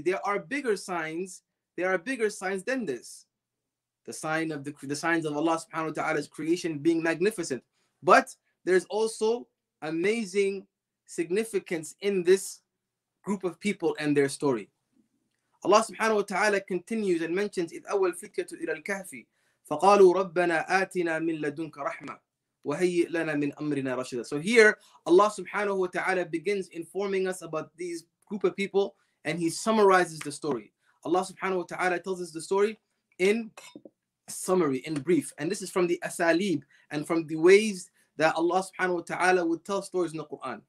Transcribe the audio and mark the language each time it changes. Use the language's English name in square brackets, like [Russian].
[English] There are bigger signs. There are bigger signs than this. The signs of Allah subhanahu wa ta'ala's creation being magnificent. But there's also amazing significance in this group of people and their story. Allah subhanahu wa ta'ala continues and mentions, [Arabic] إِذْ أَوَّلْ فِتْيَةُ إِلَى الْكَهْفِ فَقَالُوا رَبَّنَا آتِنَا مِنْ لَدُنْكَ رَحْمَةً وَهَيِّئْ لَنَا مِنْ أَمْرِنَا رَشَدًا. [English] So here, Allah subhanahu wa ta'ala begins informing us about these group of people, and he summarizes the story. Allah subhanahu wa ta'ala tells us the story in summary, in brief. And this is from the asalib, and from the ways that Allah subhanahu wa ta'ala would tell stories in the Qur'an.